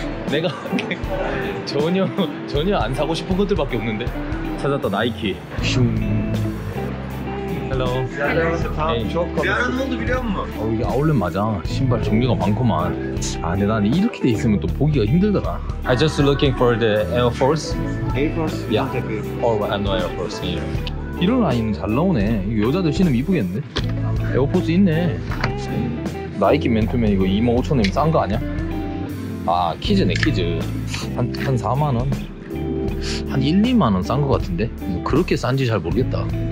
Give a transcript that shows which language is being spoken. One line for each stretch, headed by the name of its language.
Korean: 내가 전혀 안 사고 싶은 것들밖에 없는데. 찾았다, 나이키. 슝.
English: Hello.
Korean: 안녕하세요. 이게 아울렛 맞아. 신발 종류가 많구만. 아, 근데 난 이렇게 돼 있으면 또 보기가 힘들더라.
English: I just looking for the Air Force. Air Force. Yeah. Or I know Air Force.
Korean: 이런 라인은 잘 나오네. 여자들 신으면 이쁘겠는데? 에어포스 있네. 나이키 맨투맨 이거 25,000원이면 싼 거 아니야? 아 키즈네 키즈 한 4만원? 한 1-2만원 싼 거 같은데? 뭐 그렇게 싼지 잘 모르겠다.